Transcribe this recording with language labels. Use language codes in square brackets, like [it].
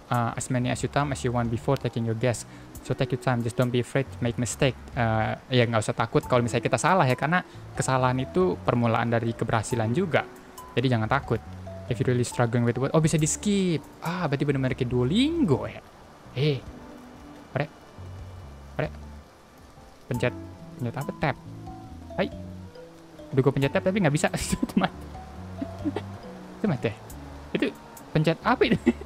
[en] As many as you time as you want before taking your guess. So take your time, just don't be afraid to make mistake. [id] Ya nggak usah takut kalau misalnya kita salah ya, karena kesalahan itu permulaan dari keberhasilan juga. Jadi jangan takut. [en] If you really struggling with what, oh [id] bisa di skip. Ah, berarti benar-benar kayak Duolingo ya. Hey, pare. Pencet apa? Tab. Hai. Udah gue pencet tab tapi gak bisa. Itu mati ya. Itu pencet apa ini?